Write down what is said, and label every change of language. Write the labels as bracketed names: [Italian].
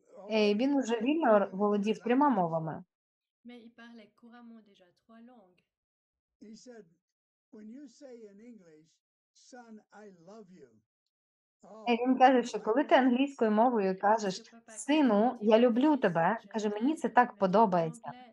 [Ukrainian] І він уже вільно володів трьома мовами. [French] Mais il parlait couramment déjà trois langues. [English] He said, when you say in English, son, I love you. [Ukrainian] Oh, він каже, що коли ти англійською мовою кажеш, сину, я люблю тебе, каже, мені це так подобається.